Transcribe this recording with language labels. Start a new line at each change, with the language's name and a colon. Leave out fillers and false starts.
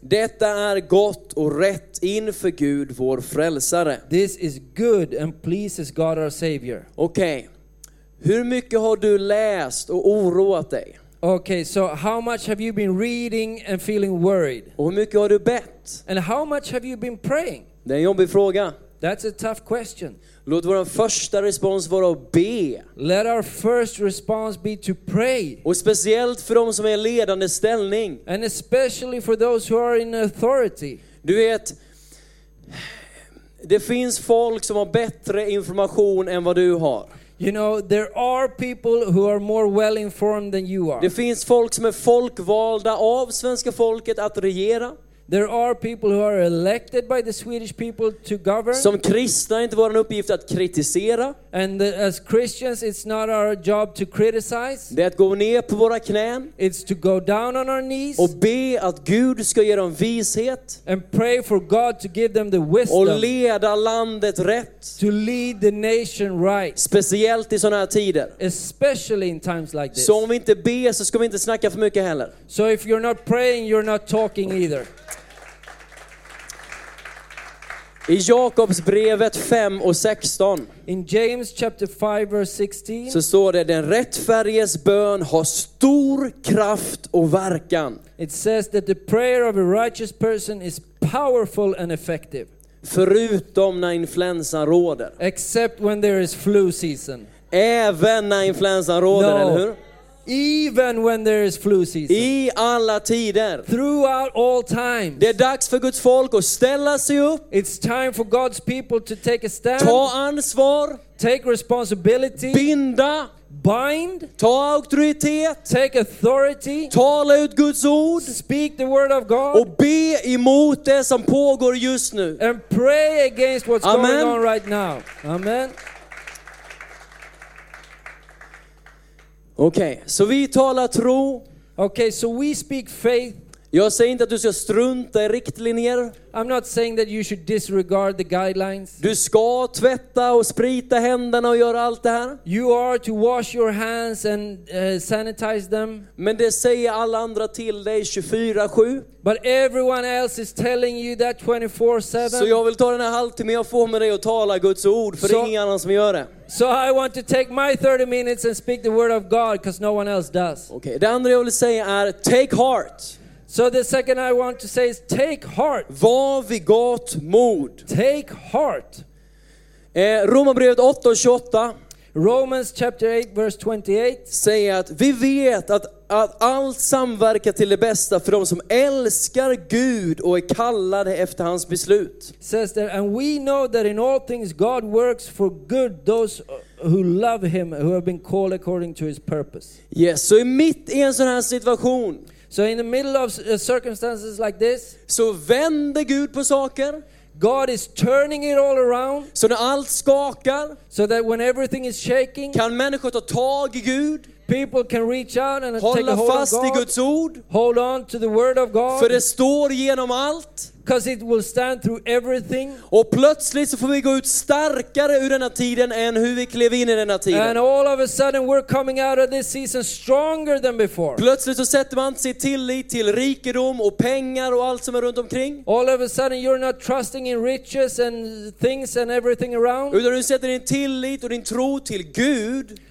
Swedish: Detta är gott och rätt inför Gud, vår frälsare.
English: This is good and pleases God our Savior.
Swedish: Okej. Hur mycket har du läst och oroat dig?
English: Okay, so how much have you been reading and feeling worried?
Swedish: Och hur mycket har du bett?
English: And how much have you been praying?
Swedish: Det är en jobbig fråga.
English: That's a tough question.
Swedish: Låt vår första respons vara att be.
English: Let our first response be to pray.
Swedish: Och speciellt för de som är i ledande ställning.
English: And especially for those who are in authority.
Swedish: Du vet, det finns folk som har bättre information än vad du har.
English: You know, there are people who are more well informed than you are.
Swedish: Det finns folk som är folkvalda av svenska folket att regera.
English: There are people who are elected by the Swedish people to govern.
Swedish: Som kristna inte vår uppgift att kritisera.
English: And as Christians it's not our job to criticize.
Swedish: Det är att gå ner på våra knän.
English: It's to go down on our knees.
Swedish: Och be att Gud ska ge dem vishet.
English: And pray for God to give them the wisdom.
Swedish: Och leda landet rätt.
English: To lead the nation right.
Swedish: Speciellt i såna här tider.
English: Especially in times like this.
Swedish: Så om vi inte ber så ska vi inte snacka för mycket heller.
English: So if you're not praying you're not talking either.
Swedish: I Jakobs brevet 5 och 16.
English: In James chapter 5 verse 16.
Swedish: Så står det, den rättfärdiges bön har stor kraft och verkan.
English: It says that the prayer of a righteous person is powerful and effective.
Swedish: Förutom när influensan råder.
English: Except when there is flu season.
Swedish: Även när influensan råder,
English: no.
Swedish: Eller hur?
English: Even when there is flu season.
Swedish: I alla tider.
English: Throughout all time.
Swedish: Det är dags för Guds folk att ställa sig upp.
English: It's time for God's people to take a stand.
Swedish: Ta ansvar.
English: Take responsibility.
Swedish: Binda.
English: Bind.
Swedish: Ta auktoritet.
English: Take authority.
Swedish: Tala ut Guds ord.
English: Speak the word of God.
Swedish: Och be emot det som pågår just nu.
English: And pray against what's Amen. Going on right now. Amen.
Swedish: Okej, okay, så vi talar tro.
English: Okay, so we speak faith.
Swedish: Jag säger inte att du ska strunta i riktlinjer.
English: I'm not saying that you should disregard the guidelines.
Swedish: Du ska tvätta och sprita händerna och göra allt det här.
English: You are to wash your hands and sanitize them.
Swedish: Men det säger alla andra till dig 24/7.
English: But everyone else is telling you that 24/7.
Swedish: Så jag vill ta den här halvtimme jag får med dig och tala Guds ord, för det är ingen annan som gör det.
English: So I want to take my 30 minutes and speak the word of God because no one else does.
Swedish: Okej, okay, det andra jag vill säga är
English: take heart. So the second I want to say is take heart.
Swedish: Var vid gott mod.
English: Take heart.
Swedish: Romarbrevet 8:28.
English: Romans chapter 8 verse 28.
Swedish: Säger att vi vet att allt samverkar till det bästa för de som älskar Gud och är kallade efter hans beslut.
English: Says that, and we know that in all things God works for good those who love him, who have been called according to his purpose.
Swedish: Yes, så i mitt i en sån här situation.
English: So in the middle of circumstances like this,
Swedish: så vänder Gud på saker.
English: God is turning it all around.
Swedish: Så när allt skakar,
English: so that when everything is shaking,
Swedish: kan människor ta tag i Gud.
English: People can reach out and
Swedish: hålla
English: take a hold
Swedish: fast
English: of God.
Swedish: I Guds ord.
English: Hold on to the word of God.
Swedish: För det står genom allt.
English: Because it will stand through everything.
Swedish: Och plötsligt så får vi gå ut starkare ur denna tiden än hur vi klev in i denna tiden.
English: And all of a sudden we're coming out of this season stronger than before.
Swedish: Plötsligt så sätter man sig tillit till rikedom och pengar och allt som är runt omkring.
English: All of a sudden you're not trusting in riches and things and everything around.
Swedish: Utan du sätter din tillit och din tro till Gud.